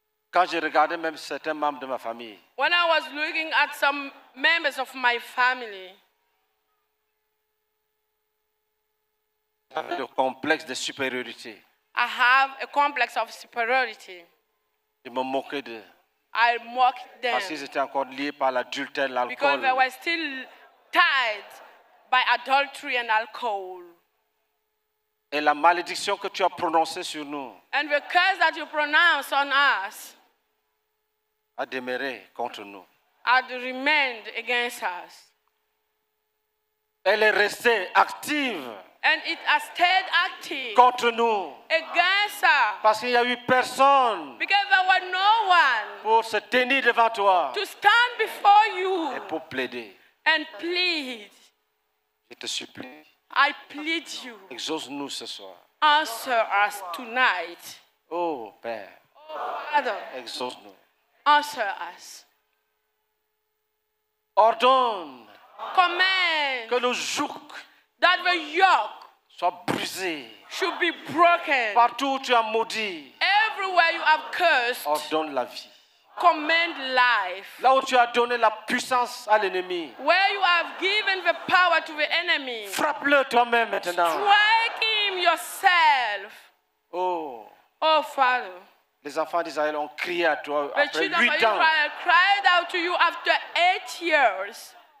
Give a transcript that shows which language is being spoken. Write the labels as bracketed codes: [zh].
[fr] Quand je regardais même certains membres de ma famille, [en] when I was looking at some members of my family, [fr] le complexe de supériorité. [en] I have a complex of superiority. [fr] Je me moquais d'eux. [en] I mocked them. [fr] Parce qu'ils étaient encore liés par l'adultère, l'alcool. [en] Because they were still tied by adultery and alcohol. [fr] Et la malédiction que tu as prononcée sur nous. [en] And the curse that you pronounced on us. [fr] A demeuré contre nous. [en] Had remained against us. [fr] Elle est restée active. [en] And it has stayed active [fr] contre nous. [en] Against her. [fr] Parce qu'il n'y a eu personne. [en] Because there was no one [fr] pour se tenir devant toi. [en] To stand before you. [fr] Et pour plaider. [en] And plead. [fr] Je te supplie. [en] I plead you. [fr] Exauce-nous ce soir. [en] Answer us tonight. [fr] Oh Père. [en] Oh Father. [fr] Exauce-nous. [en] Answer us. [fr] Ordonne. [en] Command. [fr] Que le joug. [en] That the yoke [fr] soit brisé. [en] Should be broken. [fr] Partout où tu as maudit. [en] Everywhere you have cursed. [fr] Ordonne la vie. [en] Command life. [fr] Là où tu as donné la puissance à l'ennemi. [en] Where you have given the power to the enemy. [fr] Frappe-le toi-même maintenant. [en] Strike him yourself. Oh. Oh Father. [fr] Les enfants d'Israël ont crié à toi [en] the [fr] après 8 ans. [en] The children of Israel cried out to you after 8 years.